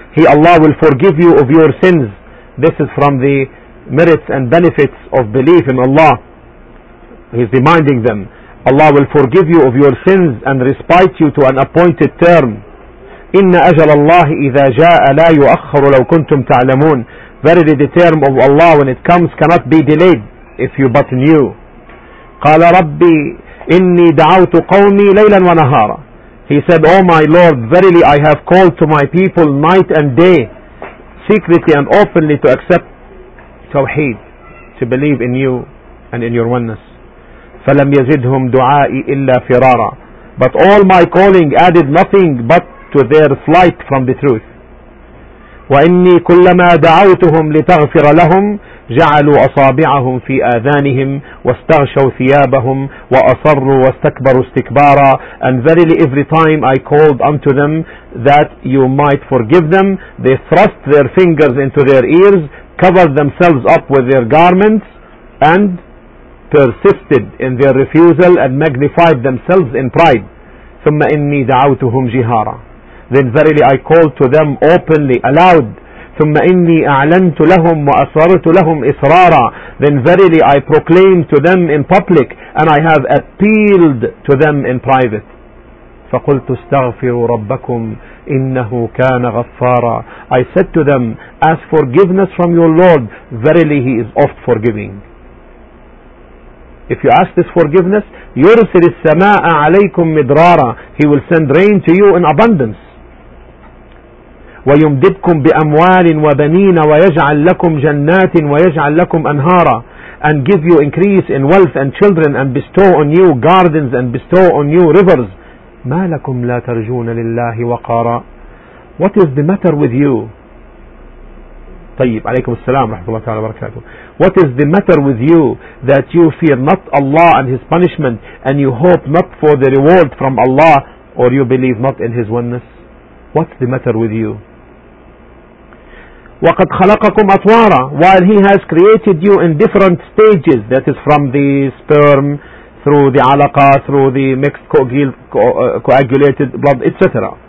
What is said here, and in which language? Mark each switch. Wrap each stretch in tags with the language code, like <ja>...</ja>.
<en>He, Allah, will forgive you of your sins. This is from the merits and benefits of belief in Allah. He's reminding them. Allah will forgive you of your sins and respite you to an appointed term.</en> <ar>إِنَّ أَجَلَ اللَّهِ إِذَا جَاءَ لَا يُؤَخَّرُ لَوْ كُنْتُمْ تَعْلَمُونَ.</ar> <en>Verily the term of Allah when it comes cannot be delayed if you but knew.</en> <ar>قال ربي إني دعوت قومي ليلا ونهارا.</ar> <en>He said, O my Lord, verily I have called to my people night and day, secretly and openly, to accept Tawheed, to believe in you and in your oneness.</en> <ar>فلم يزدهم دعائي إلا فرارا.</ar> <en>But all my calling added nothing but to their flight from the truth.</en> <ar>وإني كلما دعوتهم لتغفر لهم جعلوا أصابعهم في آذانهم واستغشوا ثيابهم وأصروا واستكبروا استكبارا.</ar> <en>And verily every time I called unto them that you might forgive them, they thrust their fingers into their ears, covered themselves up with their garments, and persisted in their refusal and magnified themselves in pride.</en> <ar>ثم إني دعوتهم جهارا.</ar> <en>Then verily I called to them openly, aloud.</en> <ar>ثم إني أعلنت لهم وأصررت لهم إصرارا.</ar> <en>Then verily I proclaimed to them in public and I have appealed to them in private.</en> <ar>فقلت استغفروا ربكم إنه كان غفارا.</ar> <en>I said to them, ask forgiveness from your Lord. Verily He is oft forgiving. If you ask this forgiveness,</en> <ar>يرسل السماء عليكم مدرارا.</ar> <en>He will send rain to you in abundance.</en> <ar>وَيُمْدِدْكُمْ بِأَمْوَالٍ وَبَنِينَ وَيَجْعَلْ لَكُمْ جَنَّاتٍ وَيَجْعَلْ لَكُمْ أَنْهَارًا.</ar> <en>And give you increase in wealth and children, and bestow on you gardens and bestow on you rivers.</en> <ar>مَا لَكُمْ لَا تَرْجُونَ لِلَّهِ وَقَارًا.</ar> <en>What is the matter with you?</en> <ar>طيب عليكم السلام ورحمة الله تعالى وبركاته.</ar> <en>What is the matter with you that you fear not Allah and His punishment, and you hope not for the reward from Allah, or you believe not in His oneness? What's the matter with you?</en> <ar>وَقَدْ خَلَقَكُمْ أَطْوَارًا.</ar> <en>While He has created you in different stages, that is from the sperm, through the alaqa, through the mixed coagulated blood, etc.</en>